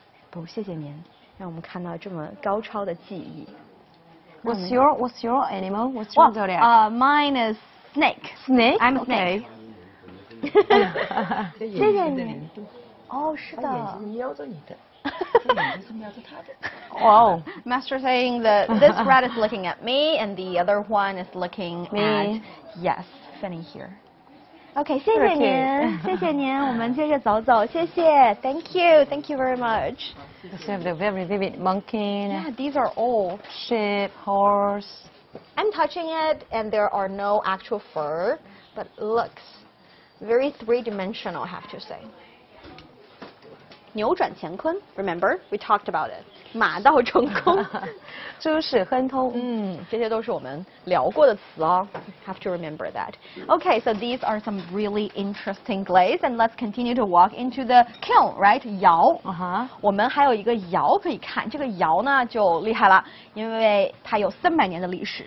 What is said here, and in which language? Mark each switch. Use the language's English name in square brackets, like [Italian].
[Chinese] 不，谢谢您，让我们看到这么高超的技艺。 [English] What's your animal? What's your zodiac? Mine is snake. Snake. I'm snake. [Chinese] 谢谢您。哦，是的。他眼睛瞄着你的，他眼睛是瞄着他的。 [English] 哇哦 ，Master saying that this rat is looking at me and the other one is looking me. At yes, Fanny here. [Chinese] OK， 谢谢您，谢谢您，我们接着走走，谢谢 ， [English] Thank you very much. This is a very vivid monkey. Yeah, these are all sheep, horse. I'm touching it, and there are no actual fur, but looks very three-dimensional. I have to say. 扭转乾坤 ，Remember we talked about it. 马到成功， [Chinese] 诸事亨通。嗯，这些都是我们聊过的词哦。 [English] Have to remember that. Okay, so these are some really interesting glaze, and let's continue to walk into the kiln, right? [Chinese] 窑。我们还有一个窑可以看，这个窑呢就厉害了，因为它有300年的历史。